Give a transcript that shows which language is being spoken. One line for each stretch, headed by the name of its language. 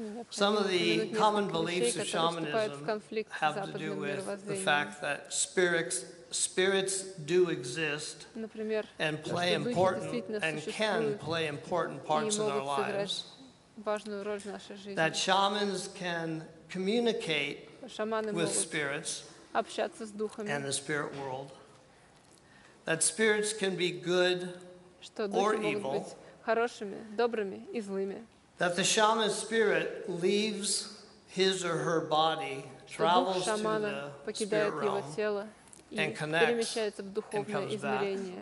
English: Some of the common beliefs of shamanism have to do with the fact that spirits do exist and play important and can play important parts in our lives. That shamans can communicate with spirits and the spirit world. That spirits can be good or evil.
Russian: Хорошими, добрыми и злыми.
English: That the shaman's spirit leaves his or her body, travels to the spirit realm, and connects and comes back.